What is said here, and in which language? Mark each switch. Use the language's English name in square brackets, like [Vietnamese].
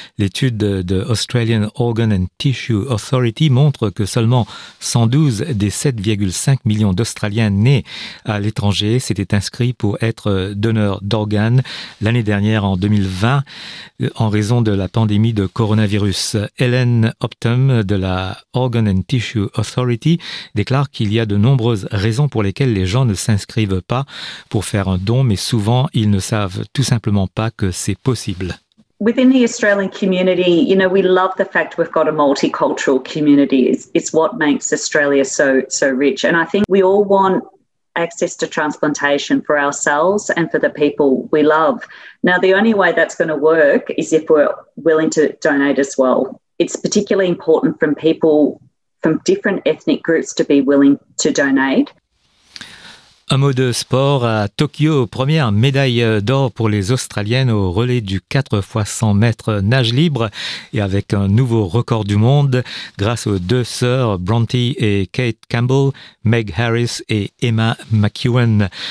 [French] L'étude de Australian Organ and Tissue Authority montre que seulement 112 des 7,5 millions d'Australiens nés à l'étranger s'étaient inscrits pour être donneurs d'organes l'année dernière en 2020 en raison de la pandémie de coronavirus. Ellen Optum de la Organ and Tissue Authority déclare qu'il y a de nombreuses raisons pour lesquelles les gens ne s'inscrivent pas pour faire un don, mais souvent ils ne savent tout simplement pas que c'est possible. [English] Within the Australian community, you know, we love the fact we've got a multicultural community. It's what makes Australia so rich. And I think we all want access to transplantation for ourselves and for the people we love. Now, the only way that's going to work is if we're willing to donate as well. It's particularly important from people from different ethnic groups to be willing to donate. [French] Un mot de sport à Tokyo, première médaille d'or pour les Australiennes au relais du 4x100 mètres nage libre et avec un nouveau record du monde grâce aux deux sœurs Bronte et Kate Campbell, Meg Harris et Emma McEwen.